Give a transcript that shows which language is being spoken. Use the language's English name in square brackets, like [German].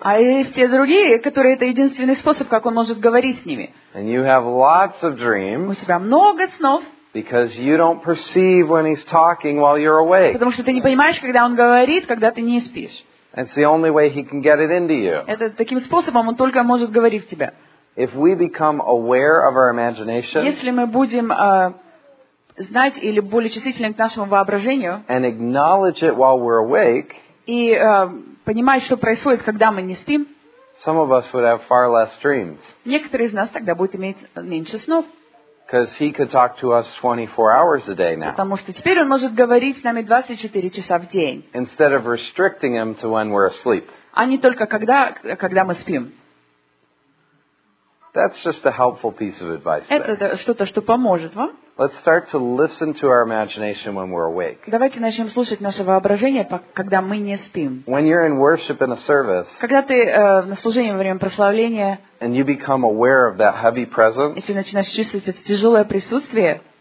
[Russian] А есть те другие, которые это единственный способ, как он может говорить с ними. [English] And you have lots of dreams. [Russian] У тебя много снов. [English] Because you don't perceive when he's talking while you're awake. [Russian] Потому что ты не понимаешь, когда он говорит, когда ты не спишь. [English] It's the only way he can get it into you. [Russian] Это таким способом он только может говорить в тебя. [English] If we become aware of our imagination, [Russian] если мы будем знать или более чувствительны к нашему воображению, [English] and acknowledge it while we're awake, [Russian] и понимать, что происходит, когда мы не спим, [English] some of us would have far less dreams. [Russian] Некоторые из нас тогда будут иметь меньше снов. [English] Because he could talk to us 24 hours a day now. [Russian] Потому что теперь он может говорить с нами 24 часа в день. [English] Instead of restricting him to when we're asleep. [Russian] А не только когда мы спим. [English] That's just a helpful piece of advice. [Russian] Это что-то, что поможет вам. [English] Let's start to listen to our imagination when we're awake. [Russian] Давайте начнем слушать наше воображение, когда мы не спим. [English] When you're in worship in a service, [Russian] когда ты на служении во время прославления, [English] and you become aware of that heavy presence, [Russian] и ты начинаешь чувствовать это тяжелое присутствие,